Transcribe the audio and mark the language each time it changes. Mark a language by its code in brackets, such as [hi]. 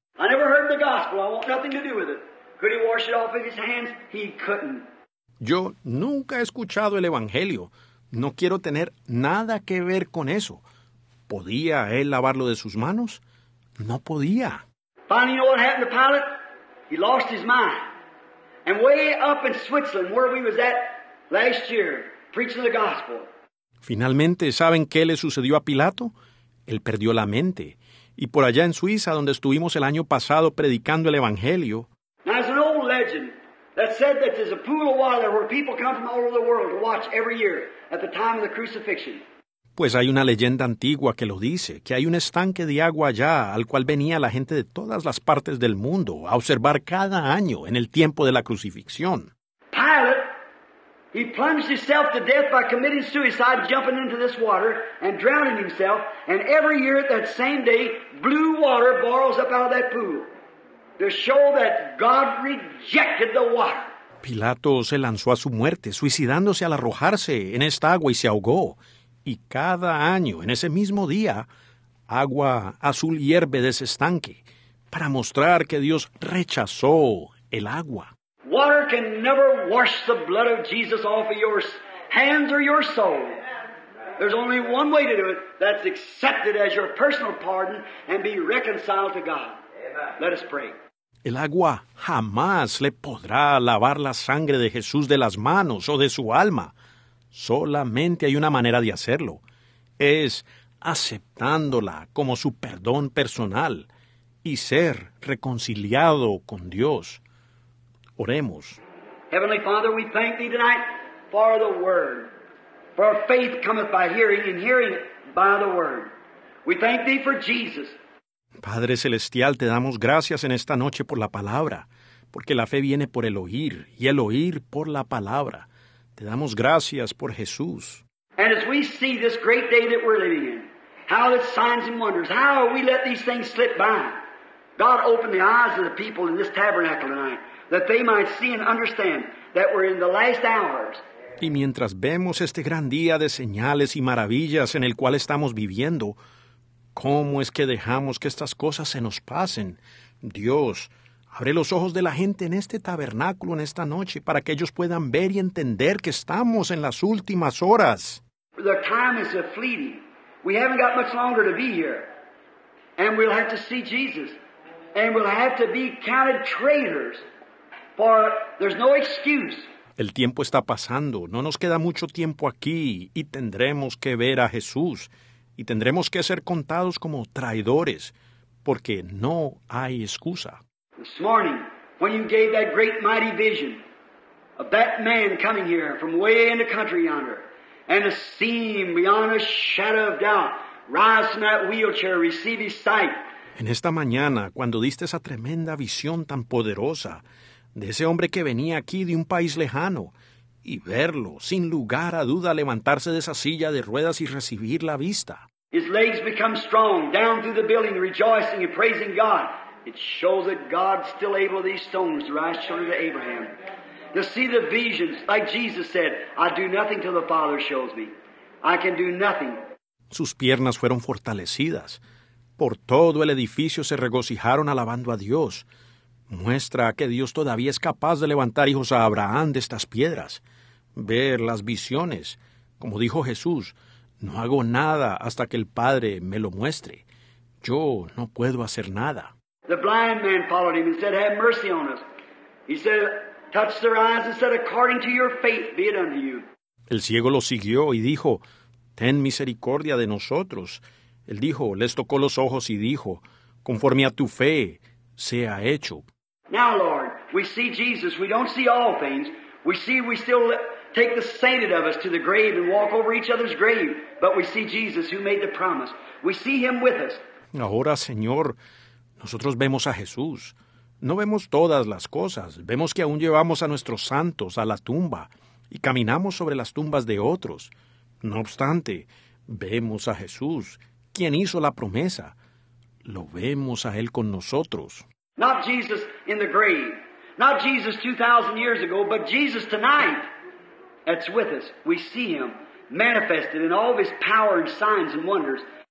[en] I never heard the gospel. I want nothing to do with it. Could he wash it off of his hands? He couldn't. [es] Yo nunca he escuchado el Evangelio. No quiero tener nada que ver con eso. ¿Podía él lavarlo de sus manos? No podía. [en] Finally, you know what happened to Pilate? He lost his mind. And way up in Switzerland, where we was at last year, preaching the gospel. [es] Finalmente, ¿saben qué le sucedió a Pilato? Él perdió la mente. Y por allá en Suiza, donde estuvimos el año pasado predicando el Evangelio. [en] Now, there's an old legend that said that there's a pool of water where people come from all over the world to watch every year at the time of the crucifixion. [es] Pues hay una leyenda antigua que lo dice, que hay un estanque de agua allá al cual venía la gente de todas las partes del mundo a observar cada año en el tiempo de la crucifixión. [en] Pilate, he plunged himself to death by committing suicide, jumping into this water and drowning himself, and every year at that same day, blue water boils up out of that pool to show that God rejected the water. [es] Pilato se lanzó a su muerte, suicidándose al arrojarse en esta agua y se ahogó. Y cada año, en ese mismo día, agua azul hierve de ese estanque para mostrar que Dios rechazó el agua. [en] Water can never wash the blood of Jesus off of your hands or your soul. There's only one way to do it. That's accepted as your personal pardon and be reconciled to God. Let us pray. [es] El agua jamás le podrá lavar la sangre de Jesús de las manos o de su alma. Solamente hay una manera de hacerlo. Es aceptándola como su perdón personal y ser reconciliado con Dios. Oremos. [en] Heavenly Father, we thank thee tonight for the word. For faith cometh by hearing, and hearing by the word. We thank thee for Jesus. [es] Padre Celestial, te damos gracias en esta noche por la palabra, porque la fe viene por el oír, y el oír por la palabra. Te damos gracias por Jesús. [en] And as we see this great day that we're living in, how the signs and wonders, how we let these things slip by. God, open the eyes of the people in this tabernacle tonight, that they might see and understand that we're in the last hours. [es] Y mientras vemos este gran día de señales y maravillas en el cual estamos viviendo, ¿cómo es que dejamos que estas cosas se nos pasen? Dios, abre los ojos de la gente en este tabernáculo en esta noche para que ellos puedan ver y entender que estamos en las últimas horas. [en] The time is fleeting. We haven't got much longer to be here. And we'll have to see Jesus. And we'll have to be counted traitors. For there's no excuse. [es] El tiempo está pasando. No nos queda mucho tiempo aquí. Y tendremos que ver a Jesús. Y tendremos que ser contados como traidores. Porque no hay excusa. [en] This morning, when you gave that great mighty vision of that man coming here from way in the country yonder, and a seeing beyond a shadow of doubt, rise from that wheelchair, receive his sight. [es] En esta mañana, cuando diste esa tremenda visión tan poderosa de ese hombre que venía aquí de un país lejano, y verlo sin lugar a duda levantarse de esa silla de ruedas y recibir la vista. [en] His legs become strong, down through the building, rejoicing and praising God. It shows that God's still able these stones to rise children to Abraham. To see the visions, like Jesus said, I do nothing till the Father shows me. I can do nothing. [es] Sus piernas fueron fortalecidas. Por todo el edificio se regocijaron alabando a Dios. Muestra que Dios todavía es capaz de levantar hijos a Abraham de estas piedras. Ver las visiones. Como dijo Jesús, no hago nada hasta que el Padre me lo muestre. Yo no puedo hacer nada. [en] The blind man followed him and said, have mercy on us. He said, touched their eyes and said, "According to your faith be it unto you." [es] El ciego lo siguió y dijo, "Ten misericordia de nosotros." Él dijo, les tocó los ojos y dijo, "Conforme a tu fe sea hecho." [en] Now, Lord, we see Jesus. We don't see all things. We see we still take the sainted of us to the grave and walk over each other's grave. But we see Jesus who made the promise. We see him with us. [es] Ahora, Señor, nosotros vemos a Jesús. No vemos todas las cosas. Vemos que aún llevamos a nuestros santos a la tumba y caminamos sobre las tumbas de otros. No obstante, vemos a Jesús, quien hizo la promesa. Lo vemos a él con nosotros. [en] Not Jesus in the grave. Not Jesus 2,000 years ago, but Jesus tonight. That's with us. We see him manifested in all of his power and signs and wonders.